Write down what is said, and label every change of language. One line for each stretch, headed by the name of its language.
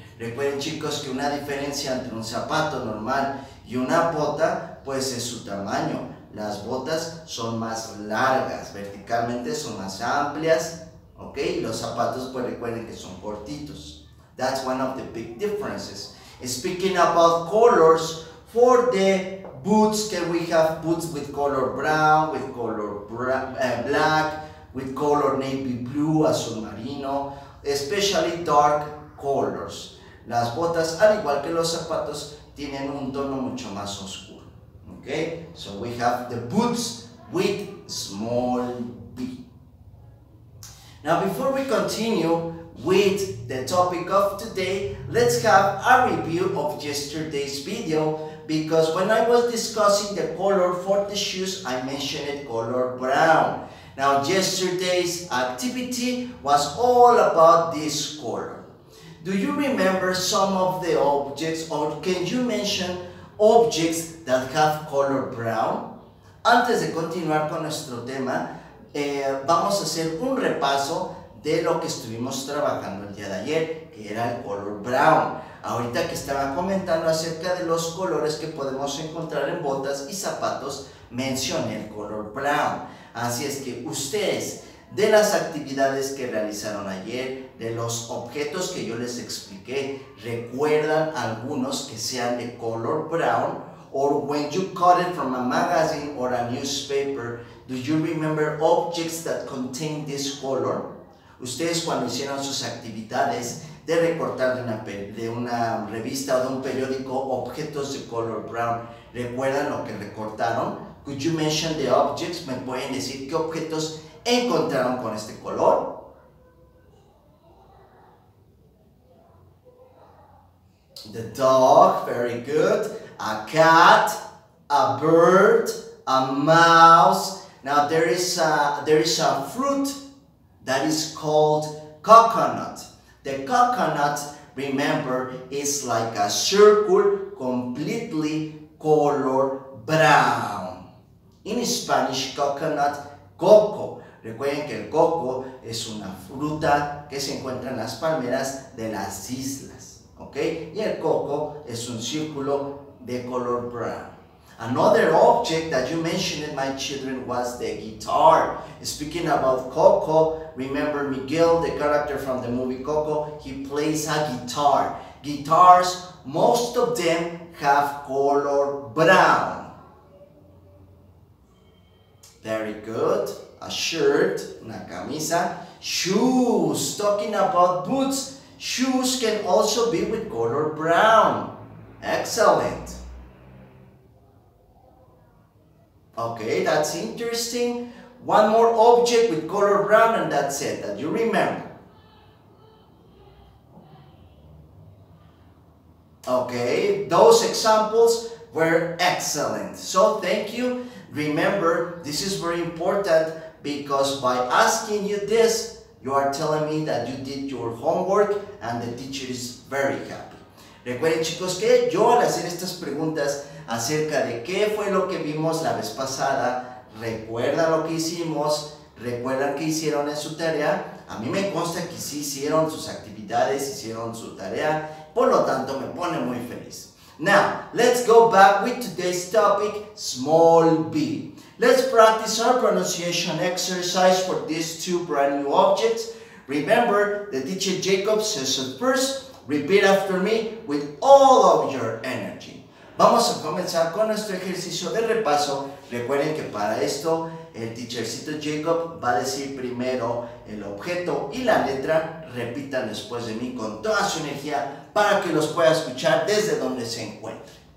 Spanish: Recuerden, chicos, que una diferencia entre un zapato normal y una bota, pues es su tamaño. Las botas son más largas, verticalmente son más amplias, ok? Los zapatos, pues recuerden que son cortitos.
English: That's one of the big differences. Speaking about colors, for the boots, can we have boots with color brown, with color black, with color navy blue,
Spanish: azul marino,
English: especially dark colors.
Spanish: Las botas, al igual que los zapatos, tienen un tono mucho más oscuro.
English: Okay, so we have the boots with small B. Now, before we continue with the topic of today, let's have a review of yesterday's video, because when I was discussing the color for the shoes, I mentioned it color brown. Now, yesterday's activity was all about this color. Do you remember some of the objects, or can you mention objects that have color brown?
Spanish: Antes de continuar con nuestro tema, vamos a hacer un repaso de lo que estuvimos trabajando el día de ayer, que era el color brown. Ahorita que estaba comentando acerca de los colores que podemos encontrar en botas y zapatos, mencioné el color brown. Así es que ustedes, de las actividades que realizaron ayer, de los objetos que yo les expliqué, ¿recuerdan algunos que sean de color brown?
English: Or when you cut it from a magazine or a newspaper, do you remember objects that contain this color?
Spanish: Ustedes, cuando hicieron sus actividades de recortar de una revista o de un periódico objetos de color brown, ¿recuerdan lo que recortaron?
English: Could you mention the objects?
Spanish: ¿Me pueden decir qué objetos encontraron con este color?
English: The dog, very good. A cat, a bird, a mouse. Now there is a fruit that is called coconut. The coconut, remember, is like a circle, completely color brown. In Spanish, coconut, coco.
Spanish: Recuerden que el coco es una fruta que se encuentra en las palmeras de las islas, ¿ok? Y el coco es un círculo de color brown.
English: Another object that you mentioned, my children, was the guitar. Speaking about Coco, remember Miguel, the character from the movie Coco, he plays a guitar. Guitars, most of them have color brown. Very good. A shirt,
Spanish: una camisa.
English: Shoes, talking about boots, shoes can also be with color brown. Excellent. Okay, that's interesting. One more object with color brown, and that's it, that you remember. Okay, those examples were excellent. So thank you. Remember, this is very important, because by asking you this, you are telling me that you did your homework and the teacher is very happy.
Spanish: Recuerden, chicos, que yo al hacer estas preguntas acerca de qué fue lo que vimos la vez pasada, recuerda lo que hicimos, recuerdan qué hicieron en su tarea. A mí me consta que sí hicieron sus actividades, hicieron su tarea, por lo tanto me pone muy feliz.
English: Now, let's go back with today's topic, small b. Let's practice our pronunciation exercise for these two brand new objects. Remember, the teacher Jacob says it first, repeat after me with all of your energy.
Spanish: Vamos a comenzar con nuestro ejercicio de repaso. Recuerden que para esto, el teachercito Jacob va a decir primero el objeto y la letra. Repitan después de mí con toda su energía para que los pueda escuchar desde donde se encuentre.